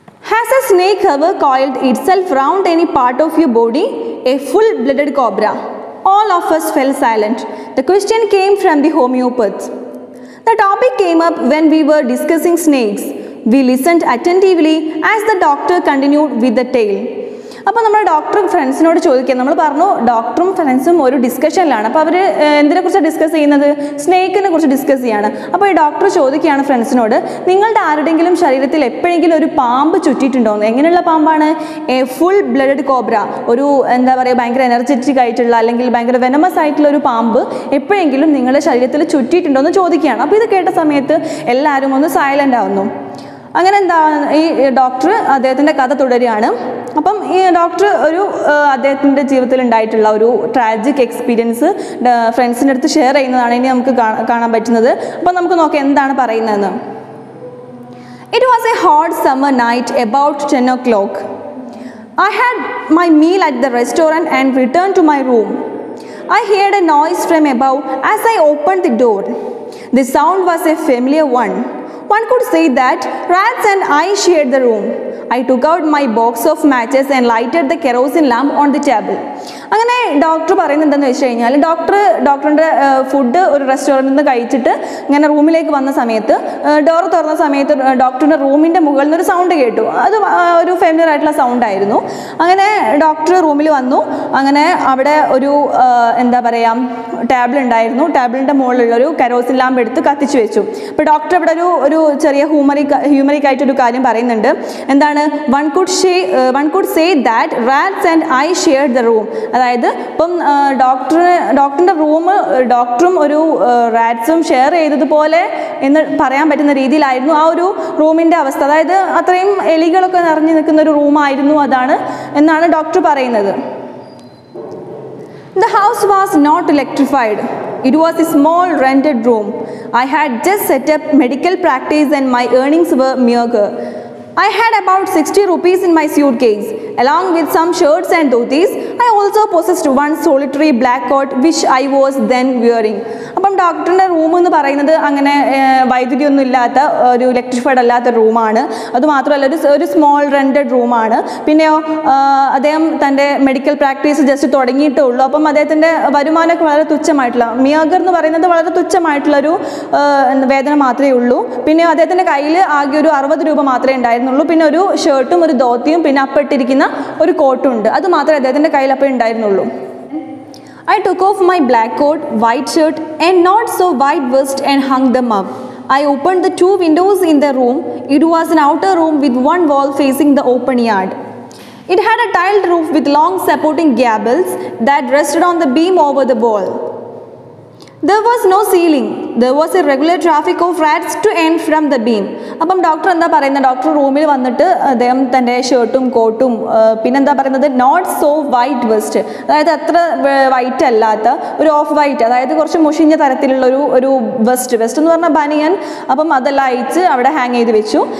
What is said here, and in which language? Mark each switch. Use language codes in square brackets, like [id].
[en] Has a snake have coiled itself round any part of your body, a full blooded cobra? All of us fell silent. The question came from the homeopath. The topic came up when we were discussing snakes. We listened attentively as the doctor continued with the tale. [ml] അപ്പോൾ നമ്മുടെ ഡോക്ടറും ഫ്രണ്ട്സിനോട് ചോദിക്കുക, നമ്മൾ പറഞ്ഞു ഡോക്ടറും ഫ്രണ്ട്സും ഒരു ഡിസ്കഷനിലാണ്. അപ്പോൾ അവർ എന്തിനെക്കുറിച്ച് ഡിസ്കസ് ചെയ്യുന്നത്? സ്നേക്കിനെ കുറിച്ച് ഡിസ്കസ് ചെയ്യാണ്. അപ്പോൾ ഈ ഡോക്ടർ ചോദിക്കുകയാണ് ഫ്രണ്ട്സിനോട്, നിങ്ങളുടെ ആരുടെങ്കിലും ശരീരത്തിൽ എപ്പോഴെങ്കിലും ഒരു പാമ്പ് ചുറ്റിയിട്ടുണ്ടോ എന്ന്? എങ്ങനെയുള്ള പാമ്പാണ്? [en] a full blooded cobra, [ml] ഒരു എന്താ പറയുക, ഭയങ്കര എനർജറ്റിക് ആയിട്ടുള്ള അല്ലെങ്കിൽ ഭയങ്കര വെനമസ് ആയിട്ടുള്ള ഒരു പാമ്പ് എപ്പോഴെങ്കിലും നിങ്ങളുടെ ശരീരത്തിൽ ചുറ്റിയിട്ടുണ്ടോ എന്ന് ചോദിക്കുകയാണ്. അപ്പോൾ ഇത് കേട്ട സമയത്ത് എല്ലാവരും ഒന്ന് സൈലൻ്റ് ആവുന്നു. അങ്ങനെ എന്താ, ഈ ഡോക്ടർ അദ്ദേഹത്തിൻ്റെ കഥ തുടരുകയാണ്. അപ്പം ഈ ഡോക്ടർ ഒരു അദ്ദേഹത്തിൻ്റെ ജീവിതത്തിൽ ഉണ്ടായിട്ടുള്ള ഒരു ട്രാജിക് എക്സ്പീരിയൻസ് ഫ്രണ്ട്സിൻ്റെ അടുത്ത് ഷെയർ ചെയ്യുന്നതാണ് ഇനി നമുക്ക് കാണാൻ പറ്റുന്നത്. അപ്പം നമുക്ക് നോക്കാം എന്താണ് പറയുന്നതെന്ന്. [en] It was a hot summer night about 10 o'clock. I had my meal at the restaurant and return to my room. I heard a noise from above as I open the door. The sound was a familiar one. One could say that rats and I shared the room. I took out my box of matches and lighted the kerosene lamp on the table. [ml] അങ്ങനെ doctor പറയുന്നത് എന്താന്ന് വെച്ച് കഴിഞ്ഞാൽ, ഡോക്ടറിൻ്റെ food ഒരു റെസ്റ്റോറൻറ്റിൽ നിന്ന് കഴിച്ചിട്ട് ഇങ്ങനെ റൂമിലേക്ക് വന്ന സമയത്ത്, ഡോർ തുറന്ന സമയത്ത് ഡോക്ടറിൻ്റെ റൂമിൻ്റെ മുകളിൽ നിന്നൊരു സൗണ്ട് കേട്ടു. അത് ഒരു ഫെമിലിയർ ആയിട്ടുള്ള സൗണ്ടായിരുന്നു. അങ്ങനെ ഡോക്ടർ റൂമിൽ വന്നു. അങ്ങനെ അവിടെ ഒരു എന്താ പറയുക, ടേബിൾ ഉണ്ടായിരുന്നു. ടേബിളിൻ്റെ മുകളിലുള്ളൊരു കരോസിൻ ലാമ്പ് എടുത്ത് കത്തിച്ച് വെച്ചു. അപ്പോൾ ഡോക്ടർ അവിടെ ഒരു ചെറിയ ഹ്യൂമറിക് ആയിട്ടൊരു കാര്യം പറയുന്നുണ്ട്. [en] എന്താണ്, one could say that rats and I shared the room. [ml] അതായത് ഇപ്പം ഡോക്ടറിൻ്റെ റൂം ഡോക്ടറും ഒരു റാറ്റ്സും ഷെയർ ചെയ്തതുപോലെ എന്ന് പറയാൻ പറ്റുന്ന രീതിയിലായിരുന്നു ആ ഒരു റൂമിൻ്റെ അവസ്ഥ. അതായത് അത്രയും എലികളൊക്കെ നിറഞ്ഞു നിൽക്കുന്ന ഒരു റൂമായിരുന്നു അതാണ് എന്നാണ് ഡോക്ടർ പറയുന്നത്. [en] The house was not electrified. It was a small rented room. I had just set up medical practice and my earnings were meagre. I had about 60 rupees in my suitcase. Along with some shirts and dhotis, I also possessed one solitary black coat which I was then wearing. [ml] അപ്പം ഡോക്ടറിൻ്റെ room എന്ന് പറയുന്നത് അങ്ങനെ വൈദ്യുതി ഒന്നും ഇല്ലാത്ത ഒരു electrified അല്ലാത്ത റൂമാണ്. അതുമാത്രമല്ല ഒരു സ്മോൾ റെൻറ്റഡ് റൂമാണ്. പിന്നെയോ അദ്ദേഹം തൻ്റെ മെഡിക്കൽ പ്രാക്ടീസ് ജസ്റ്റ് തുടങ്ങിയിട്ടേ ഉള്ളൂ. അപ്പം അദ്ദേഹത്തിൻ്റെ വരുമാനമൊക്കെ വളരെ തുച്ഛമായിട്ടുള്ള, മിയാഗർ എന്ന് പറയുന്നത് വളരെ തുച്ഛമായിട്ടുള്ളൊരു വേതനം മാത്രമേ ഉള്ളൂ. പിന്നെ അദ്ദേഹത്തിൻ്റെ കയ്യിൽ ആകെ ഒരു 60 രൂപ മാത്രമേ ഉണ്ടായിരുന്നുള്ളൂ. പിന്നെ ഒരു ഷർട്ടും ഒരു ധോത്തിയും പിന്നെ അപ്പെട്ടിരിക്കുന്ന ഒരു കോട്ടും ഉണ്ട്. അതുമാത്രമേ അദ്ദേഹത്തിൻ്റെ കയ്യിൽ അപ്പോൾ ഉണ്ടായിരുന്നുള്ളൂ. [en] I took off my black coat, white shirt and not so white vest and hung them up. I opened the two windows in the room. It was an outer room with one wall facing the open yard. It had a tiled roof with long supporting gables that rested on the beam over the wall. There was no ceiling. there was a regular traffic of rats to and from the beam. [ml] അപ്പം doctor എന്താ പറയുന്നത്? Doctor റൂമിൽ വന്നിട്ട് അദ്ദേഹം തന്റെ ഷർട്ടും കോട്ടും പിന്നെന്താ പറയുന്നത്, [en] not so white vest, [ml] അതായത് അത്ര വൈറ്റ് അല്ലാത്ത ഒരു ഓഫ് വൈറ്റ്, അതായത് കുറച്ച് മുഷിഞ്ഞ തരത്തിലുള്ള ഒരു ഒരു വെസ്റ്റ്, വെസ്റ്റ് എന്ന് പറഞ്ഞാൽ ബനിയൻ, അപ്പം അതെല്ലാം അയച്ച് അവിടെ ഹാങ് ചെയ്ത് വെച്ചു.